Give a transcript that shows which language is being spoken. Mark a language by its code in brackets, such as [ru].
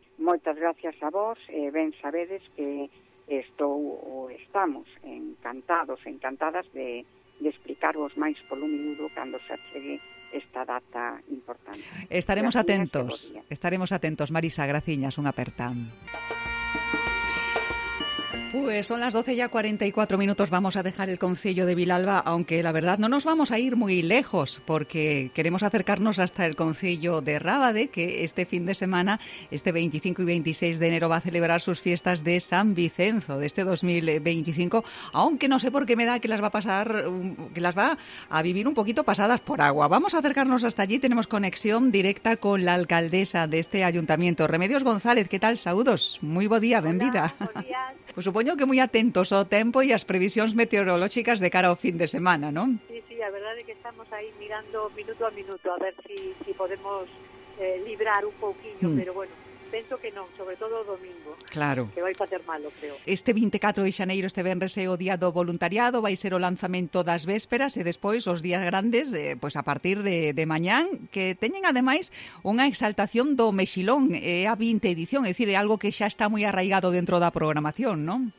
[gl] Moitas gracias a vos, ben sabedes que estou ou estamos encantados, encantadas de explicarvos máis polo minuto cando se achegue esta data importante. Estaremos graciñas atentos, estaremos atentos. Marisa, graciñas, unha aperta. [es] Pues son las 12:44, vamos a dejar el Concello de Vilalba, aunque la verdad no nos vamos a ir muy lejos, porque queremos acercarnos hasta el Concello de Rábade, que este fin de semana, este 25 y 26 de enero, va a celebrar sus fiestas de San Vicenzo de este 2025, aunque no sé por qué me da que las va a pasar, que las va a vivir un poquito pasadas por agua. Vamos a acercarnos hasta allí, tenemos conexión directa con la alcaldesa de este ayuntamiento, Remedios González. ¿Qué tal? Saludos, muy buen día, bienvenida. [gl] Pues supoño que moi atentos ao tempo e ás previsións meteorolóxicas de cara ao fin de semana, non? Sí, sí, a verdade é que estamos aí mirando minuto a minuto a ver si podemos librar un pouquinho, pero bueno, [es] Pienso que no, sobre todo domingo. Claro. Que vais a hacer malo, creo. [gl] Este 24 de xaneiro, este venres, é o día do voluntariado, vai ser o lanzamento das vésperas e despois os días grandes, pues a partir de mañán, que teñen ademais unha exaltación do mexilón, a 20 edición, é dicir, é algo que xa está moi arraigado dentro da programación, non?